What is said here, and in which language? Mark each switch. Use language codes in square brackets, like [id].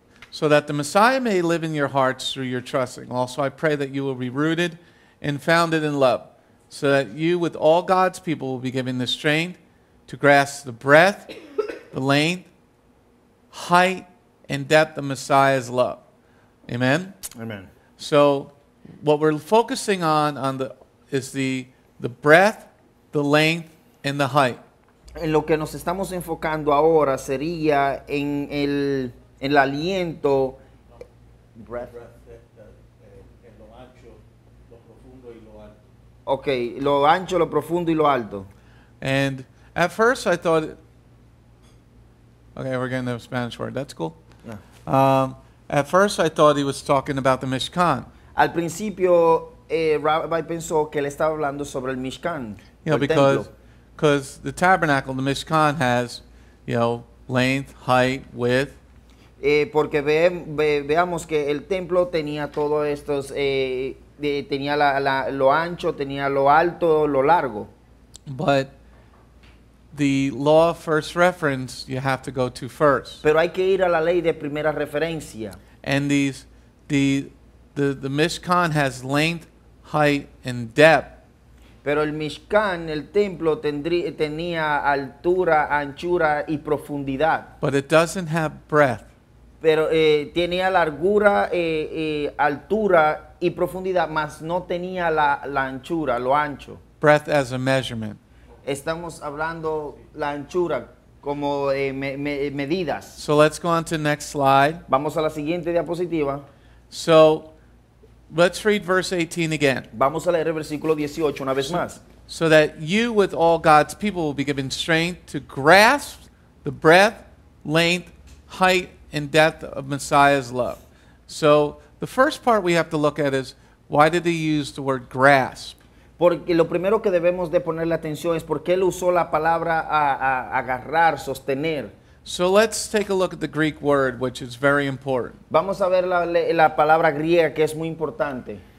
[en] So that the Messiah may live in your hearts through your trusting. Also, I pray that you will be rooted and founded in love, so that you with all God's people will be given the strength to grasp the breadth, the length, height, and depth of Messiah's love. Amen? Amen. So what we're focusing on is the breadth, the length, and the height. [es] En lo que nos estamos enfocando ahora sería en el aliento, [en] breath. [es] Okay, lo ancho, lo profundo y lo alto. [en] And at first I thought, okay, we're getting the Spanish word, that's cool. Yeah. At first I thought he was talking about the Mishkan. [es] Al principio, Rabbi pensó que él estaba hablando sobre el Mishkan. [en] Yeah, because the tabernacle, the Mishkan, has, you know, length, height, width. [es] Porque veamos que el templo tenía todos estos, tenía lo ancho, tenía lo alto, lo largo. [en] But the law of first reference, you have to go to first. [es] Pero hay que ir a la ley de primera referencia. [en] And the Mishkan has length, height, and depth. [es] Pero el Mishkan, el templo, tenía altura, anchura y profundidad. [en] But it doesn't have breadth. [es] Pero tenía largura, altura y profundidad, mas no tenía la anchura, lo ancho. [en] Breadth as a measurement. [es] Estamos hablando la anchura como medidas. [en] So let's go on to the next slide. [es] Vamos a la siguiente diapositiva. [en] So let's read verse 18 again. [es] Vamos a leer el versículo 18 una vez más. [en] So that you with all God's people will be given strength to grasp the breadth, length, height and depth of Messiah's love. So the first part we have to look at is, why did he use the word grasp? [es] Porque lo primero que debemos de ponerle atención es por qué él usó la palabra agarrar, sostener. [en] So let's take a look at the Greek word, which is very important. [es] Vamos a ver la palabra griega que es muy importante.